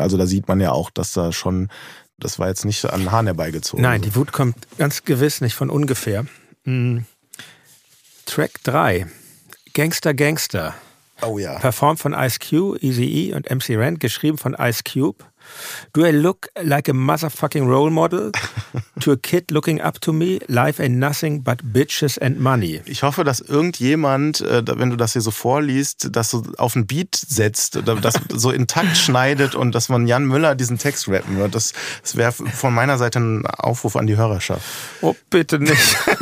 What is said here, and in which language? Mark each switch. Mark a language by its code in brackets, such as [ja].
[de] Also da sieht man ja auch, dass da schon, das war jetzt nicht an den Haaren herbeigezogen. Nein, die Wut kommt ganz gewiss nicht von ungefähr. Track 3. Gangster Gangster. Oh ja. Performed von Ice-Cube, Eazy-E und MC Ren, geschrieben von Ice-Cube. [en] Do I look like a motherfucking role model to a kid looking up to me? Life ain't nothing but bitches and money. [de] Ich hoffe, dass irgendjemand, wenn du das hier so vorliest, das so auf ein Beat setzt, das so in Takt schneidet und dass man Jan Müller diesen Text rappen wird. Das wäre von meiner Seite ein Aufruf an die Hörerschaft. Oh, bitte nicht.